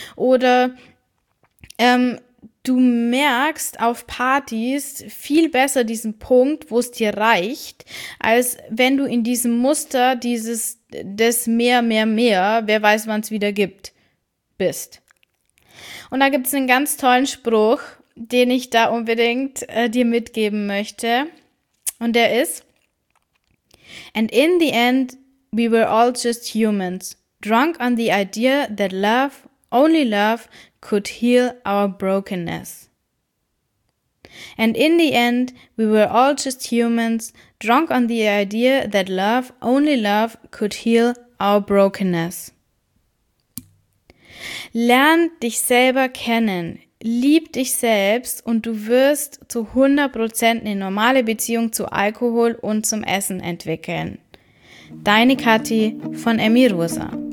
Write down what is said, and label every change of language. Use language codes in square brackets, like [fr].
[de] Oder du merkst auf Partys viel besser diesen Punkt, wo es dir reicht, als wenn du in diesem Muster dieses das mehr, wer weiß, wann es wieder gibt, bist. Und da gibt es einen ganz tollen Spruch, den ich da unbedingt dir mitgeben möchte. Und der ist: [en] And in the end, we were all just humans, drunk on the idea that love, only love, could heal our brokenness. And in the end, we were all just humans, drunk on the idea that love, only love, could heal our brokenness. [de] Lern dich selber kennen, lieb dich selbst und du wirst zu 100% eine normale Beziehung zu Alkohol und zum Essen entwickeln. Deine Kathi von Emmy Rosa.